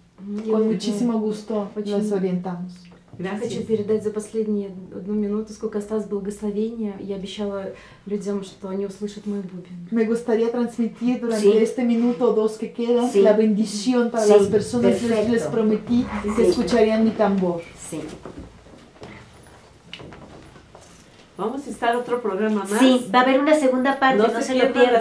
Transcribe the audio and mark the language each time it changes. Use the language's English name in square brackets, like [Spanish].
[Spanish] Con muchísimo gusto las orientamos. Gracias. [Russian] Хочу передать за последние одну минуту, сколько осталось благословения. Я обещала людям, что они услышат мой бубен. [Spanish] Me gustaría transmitir durante este minuto o dos que queda la bendición para las personas. Les prometí que escucharían mi tambor. Sí. Vamos a estar otro programa más. Sí, va a haber una segunda parte, no se lo pierdan.